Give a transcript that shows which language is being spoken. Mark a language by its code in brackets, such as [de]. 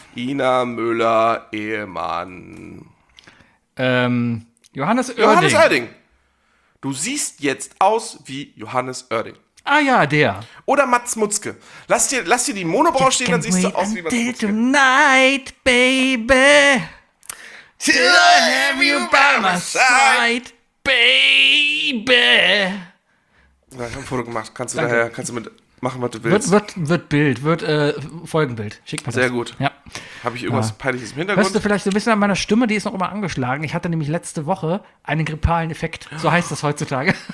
[de] Ina Müller Ehemann. Johannes Oerding. Du siehst jetzt aus wie Johannes Oerding. Ah ja, der. Oder Mats Mutzke. Lass dir die Monobrauch stehen, dann siehst du aus wie Mats [en] Mutzke. Tonight, baby. Till I have you by my side. Baby! [de] Ich habe ein Foto gemacht. Kannst du mit machen, was du willst? Wird Folgenbild. Schick mir das. Sehr gut. Ja. Habe ich irgendwas Peinliches im Hintergrund? Hörst du vielleicht so ein bisschen an meiner Stimme, die ist noch immer angeschlagen. Ich hatte nämlich letzte Woche einen grippalen Effekt. So heißt das heutzutage.